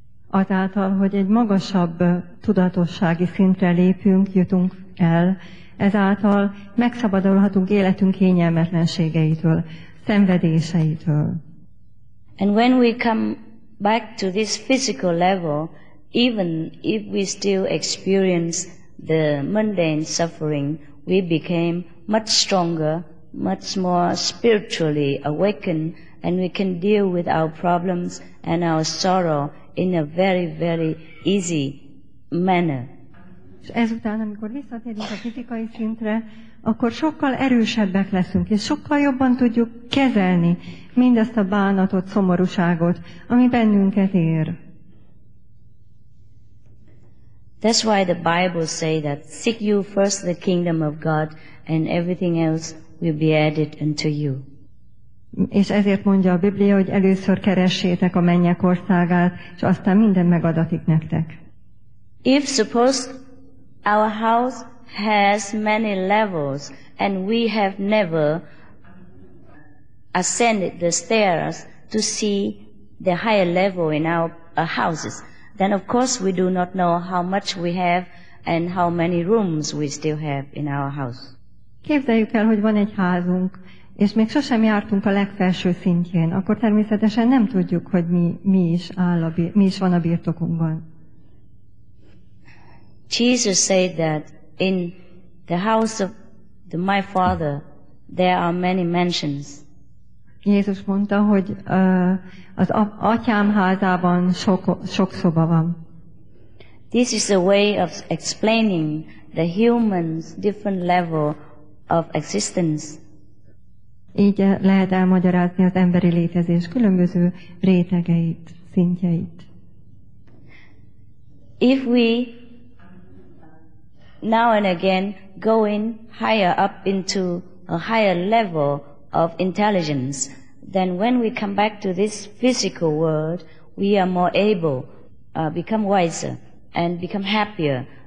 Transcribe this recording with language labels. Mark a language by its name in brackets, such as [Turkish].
[Hungarian] Azáltal, hogy egy magasabb tudatossági szintre lépünk, jutunk el, ezáltal megszabadulhatunk életünk kényelmetlenségeitől, szenvedéseitől. [English] And when we come back to this physical level, even if we still experience the mundane suffering, we became much stronger, much more spiritually awakened, and we can deal with our problems and our sorrow in a very, very easy manner. [Hungarian] És ezután, amikor visszatérünk a fizikai szintre, akkor sokkal erősebbek leszünk, és sokkal jobban tudjuk kezelni mindezt a bánatot, szomorúságot, ami bennünket ér. [English] That's why the Bible say that seek you first the kingdom of God and everything else will be added unto you. [Hungarian] És ezért mondja a Biblia, hogy először keressétek a mennyek országát, és aztán minden megadatik nektek. [English] If suppose our house has many levels and we have never ascended the stairs to see the higher level in our houses, then of course we do not know how much we have and how many rooms we still have in our house. [Hungarian] Képzeljük el, hogy van egy házunk, és még sosem jártunk a legfelső szintjén, akkor természetesen nem tudjuk, hogy mi is van a birtokunkban. [English] Jesus said that in the house of my Father there are many mansions. [Hungarian] Jézus mondta, hogy az atyám házában sok szoba van. [English] This is a way of explaining the human's different level of existence. [Hungarian] Így lehet elmagyarázni az emberi létezés különböző rétegeit, szintjeit. [English] If we now and again go in higher up into a higher level of intelligence, then when we come back to this physical world, we are more able, become wiser, and become happier.